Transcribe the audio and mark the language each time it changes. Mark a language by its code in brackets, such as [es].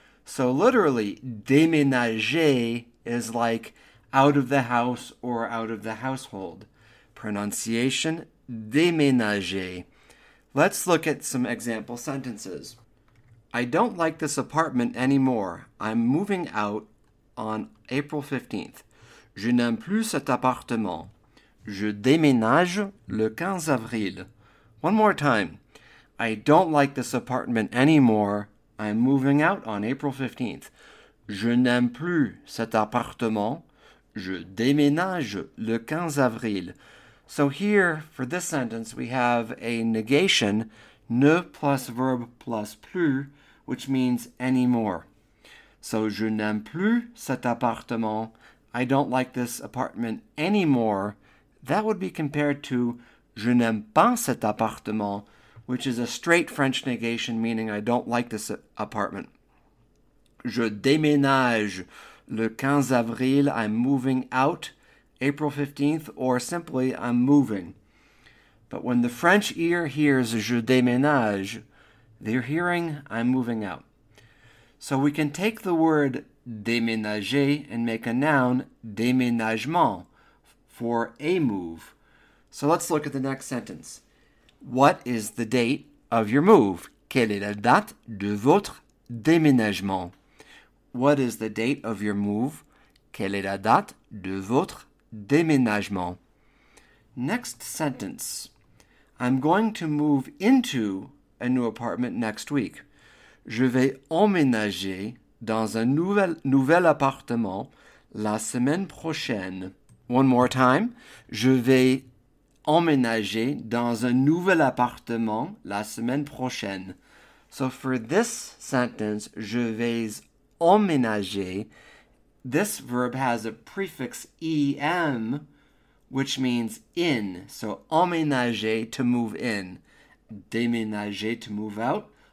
[en] So literally, déménager is like out of the house or out of the household. Pronunciation, déménager. Let's look at some example sentences. I don't like this apartment anymore. I'm moving out on April 15th. [fr] Je n'aime plus cet appartement. Je déménage le 15 avril. [en] One more time. I don't like this apartment anymore. I'm moving out on April 15th. [fr] Je n'aime plus cet appartement. Je déménage le 15 avril. [en] So here, for this sentence, we have a negation, ne plus verb plus plus, which means anymore. [fr] So je n'aime plus cet appartement. [en] I don't like this apartment anymore. That would be compared to [fr] je n'aime pas cet appartement, [en] which is a straight French negation meaning I don't like this apartment. [fr] Je déménage le 15 avril, [en] I'm moving out April 15th, or simply I'm moving. But when the French ear hears [fr] je déménage, [en] they're hearing I'm moving out. So we can take the word déménager and make a noun, déménagement, for a move. So let's look at the next sentence. What is the date of your move? [fr] Quelle est la date de votre déménagement? [en] What is the date of your move? [fr] Quelle est la date de votre déménagement? [en] Next sentence. I'm going to move into a new apartment next week. [fr] Je vais emménager dans un nouvel appartement la semaine prochaine. [en] One more time. [fr] Je vais emménager dans un nouvel appartement la semaine prochaine. [en] So for this sentence, [fr] je vais emménager, [en] this verb has a prefix em, which means in. So emménager, to move in. Déménager, to move out.